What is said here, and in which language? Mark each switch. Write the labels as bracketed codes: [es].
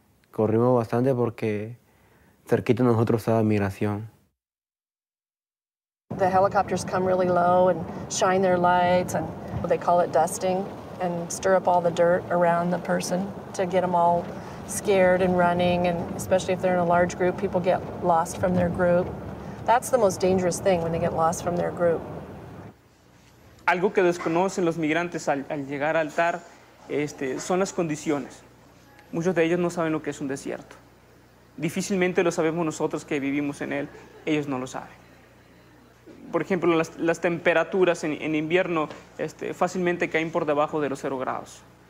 [es] Corrimos bastante porque cerquita de nosotros estaba migración. [en] The helicopters come really low and shine their lights, and they call it dusting, and stir up all the dirt around the person to get them all scared and running, and especially if they're in a large group, people get lost from their group. That's the most dangerous thing, when they get lost from their group. [es] Algo que desconocen los migrantes al llegar al TAR son las condiciones. Muchos de ellos no saben lo que es un desierto. Difícilmente lo sabemos nosotros que vivimos en él, ellos no lo saben. Por ejemplo, las temperaturas en invierno fácilmente caen por debajo de los 0 grados.